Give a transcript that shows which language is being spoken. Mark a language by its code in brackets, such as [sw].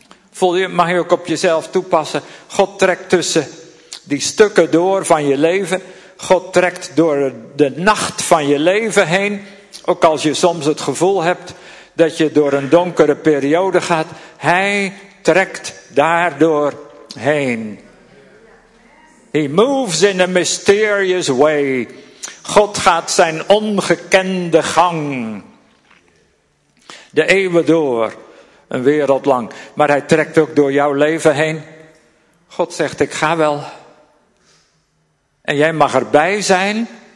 [nl] Voel je, mag je ook op jezelf toepassen. God trekt tussen die stukken door van je leven. God trekt door de nacht van je leven heen. Ook als je soms het gevoel hebt dat je door een donkere periode gaat. Hij trekt daardoor heen. [en] He moves in a mysterious way. [nl] God gaat zijn ongekende gang. De eeuwen door, een wereld lang. Maar hij trekt ook door jouw leven heen. God zegt, ik ga wel. En jij mag erbij zijn.